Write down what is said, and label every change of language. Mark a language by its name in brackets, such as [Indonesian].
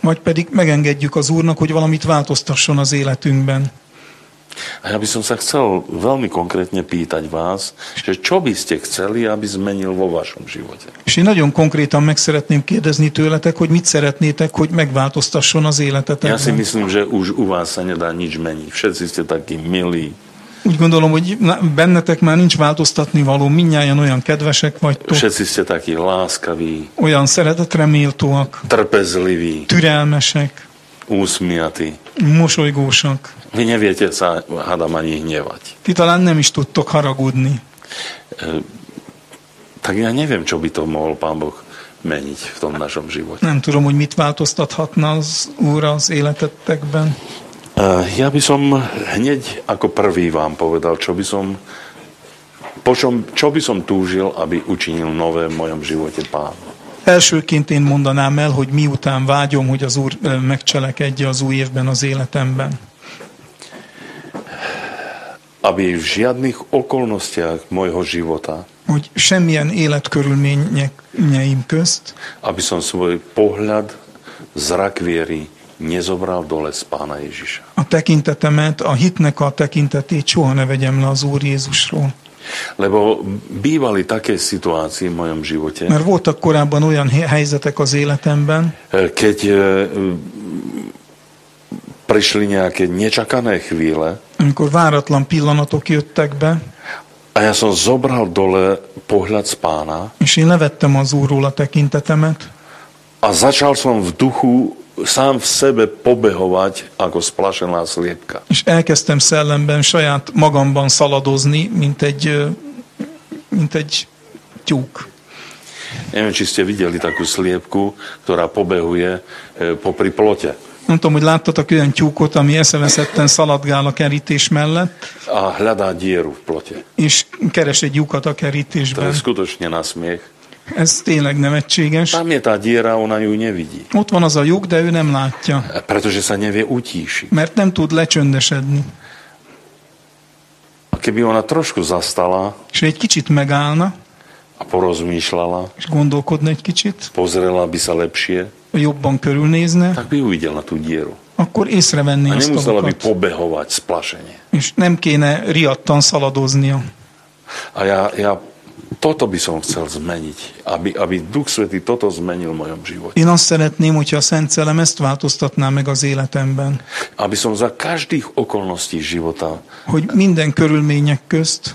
[Hungarian] Vagy pedig megengedjük az Úrnak, hogy valamit változtasson az életünkben. [Slovak] A ja by som sa chcel veľmi konkrétne pýtať vás, že čo by ste chceli, aby zmenil vo vašom živote? [Hungarian] És én nagyon konkrétan meg szeretném kérdezni tőletek, hogy mit szeretnétek, hogy megváltoztasson az életetekben. [Slovak] Ja si myslím, že už u vás sa nedá nič meniť. Všetci ste takí milí. [Hungarian] Úgy gondolom, hogy bennetek már nincs változtatni való, mindnyájan olyan kedvesek vagytok. [Slovak] Všetci ste takí láskaví. [Hungarian] Olyan szeretetreméltóak. [Slovak] Trpezliví. [Hungarian] Türelmesek. [Slovak] Úsmiaty. [Hungarian] Mosolygósak. [Slovak] Vy neviete sa, hádam, ani hnevať. [Hungarian] Ty talán nem is tudtok haragudni. [Slovak] Tak ja neviem, čo by to mohol Pán Boh meniť v tom našom živote. [Hungarian] Nem tudom, hogy mit változtathatna az Úr az életetekben. [Slovak] Ja by som hneď ako prvý vám povedal, čo by som túžil, aby učinil nové v mojom živote Pán. [Hungarian] Elsőként én mondanám el, hogy miután vágyom, hogy az Úr megcselekedje az új évben az életemben. [Slovak] Aby v žiadnych okolnostiach mojho života, [Hungarian] hogy semmilyen életkörülményeim közt, [Slovak] aby som svoj pohľad, zrak viery nezobral dole z Pána Ježiša. [Hungarian] A tekintetemet, a hitnek a tekintetét soha ne vegyem le az Úr Jézusról. [Slovak] Lebo bývali také situácie v mojom živote. [Hungarian] Mert voltak korábban olyan helyzetek az életemben. [Slovak] Keď prišli nejaké nečakané chvíle. [Hungarian] Amikor váratlan pillanatok jöttek be. [Slovak] A ja som zobral dole pohľad z Pána. [Hungarian] És én levettem az Úrról a tekintetemet. [Slovak] A začal som v duchu sám v sebe pobehovať ako splašená sliepka. [Hungarian] És elkezdtem szellemben saját magamban szaladozni, mint egy tyúk. [Slovak] Neviem, či ste videli takú sliepku, ktorá pobehuje popri plote. [Hungarian] Nem tudom, hogy láttatok olyan tyúkot, ami eszeveszetten szaladgál a kerítés mellett. [Slovak] A hľadá dieru v plote. [Hungarian] És keres egy lyukat a kerítésben. [Slovak] To je skutočne na smiech. [Hungarian] Ez tényleg nevetséges. [Slovak] Tam je tá diera, ona ju nevidí. [Hungarian] Ott van az a lyuk, de ő nem látja. [Slovak] Pretože sa nevie utíšiť. [Hungarian] Mert nem tud lecsöndesedni. [Slovak] A keby ona trošku zastala. [Hungarian] És egy kicsit megállna. [Slovak] A porozmýšľala. [Hungarian] És gondolkodna egy kicsit. [Slovak] Pozrela by sa lepšie. [Hungarian] Jobban körülnézne. [Slovak] Tak by uvidela tú dieru. [Hungarian] Akkor észrevenné azt a lyukat. [Slovak] A nemusela by pobehovať splašenie. [Hungarian] És nem kéne riadtan szaladoznia. [Slovak] A ja toto by som chcel zmeniť, aby Duch Svätý toto zmenil v mojom živote. [Hungarian] Én azt szeretném, hogyha a Szent Szellem ezt változtatná meg az életemben. [Slovak] Aby som za každých okolností života, [Hungarian] hogy minden körülmények közt